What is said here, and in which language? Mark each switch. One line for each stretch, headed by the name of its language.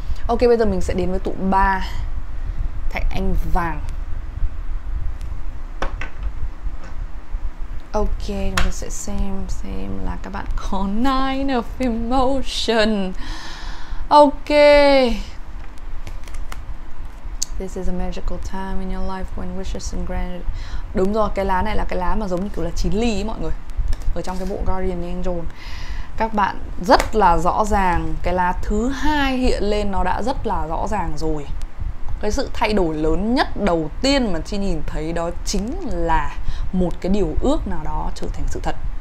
Vietnamese: Ok, bây giờ mình sẽ đến với tụ 3, Thạch Anh Vàng. Ok, chúng ta sẽ xem là các bạn có nine of emotion. Ok.
English: This is a magical time in your life when wishes are granted.
Vietnamese: Đúng rồi, cái lá này là cái lá mà giống như kiểu là chín ly ấy mọi người. Ở trong cái bộ Guardian Angel. Các bạn rất là rõ ràng, cái lá thứ hai hiện lên nó đã rất là rõ ràng rồi. Cái sự thay đổi lớn nhất đầu tiên mà chị nhìn thấy đó chính là một cái điều ước nào đó trở thành sự thật.